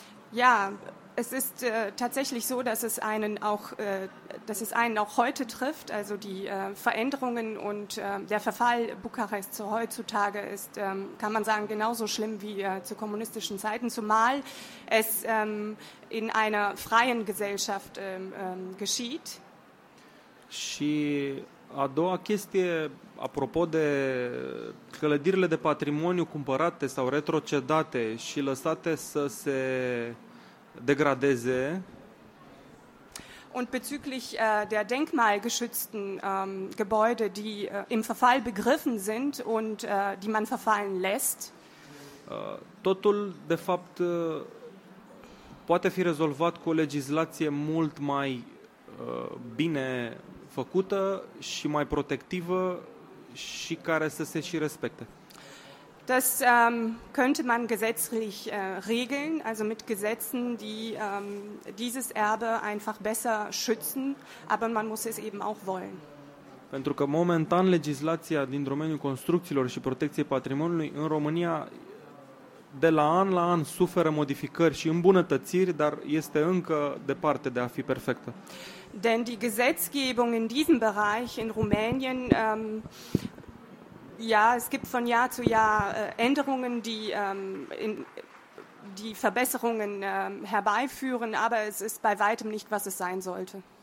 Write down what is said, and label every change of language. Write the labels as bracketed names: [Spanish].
[German] Ja, es ist tatsächlich so, dass es einen auch dass es einen auch heute trifft, also die Veränderungen und der Verfall Bukarests heutzutage ist kann man sagen genauso schlimm wie zu kommunistischen Zeiten, zumal es in einer freien Gesellschaft geschieht. [Romanian] Și a doua chestie, apropo de clădirile de patrimoniu cumpărate sau retrocedate și lăsate să se degradeze. [German] Und bezüglich der denkmalgeschützten Gebäude, die im Verfall begriffen sind und die man verfallen lässt. [Romanian] Totul, de fapt, poate fi rezolvat cu o legislație mult mai bine făcută și mai protectivă și care să se și respecte. [German] Das könnte man gesetzlich regeln, also mit Gesetzen, die dieses Erbe einfach besser schützen, aber man muss es eben auch wollen. [Romanian] Pentru că momentan legislația din domeniul construcțiilor și protecției patrimoniului în România de la an la an suferă modificări și îmbunătățiri, dar este încă departe de a fi perfectă. [German] Denn die Gesetzgebung in diesem Bereich in Rumänien, ja, es gibt von Jahr zu Jahr Änderungen, die Verbesserungen herbeiführen, aber es ist bei weitem nicht, was es sein sollte.